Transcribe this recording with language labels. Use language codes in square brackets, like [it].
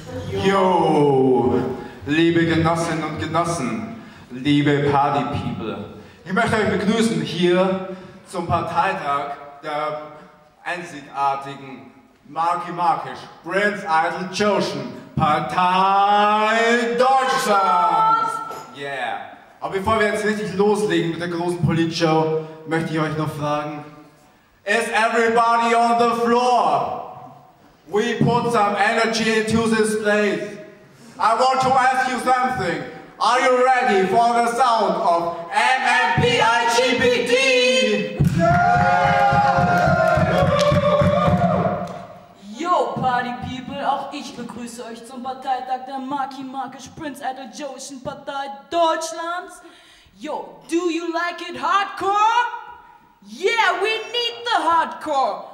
[de] Yo, liebe Genossinnen und Genossen, liebe Party People, ich möchte euch begrüßen hier zum Parteitag der einzigartigen Marki Markisch, Brands Idol Chosen, Partei Deutschlands! Yeah! Aber bevor wir jetzt richtig loslegen mit der großen Politshow, möchte ich euch noch fragen: [en] Is everybody on the floor? We put some energy into this place. I want to ask you something. Are you ready for the sound of MMPIGPD? [de] Yo, Party People, auch ich begrüße euch zum Parteitag der Marki Markisch, Prince Adel Joischen Partei Deutschlands. [en] Yo, do you like it hardcore? Yeah, we need the hardcore!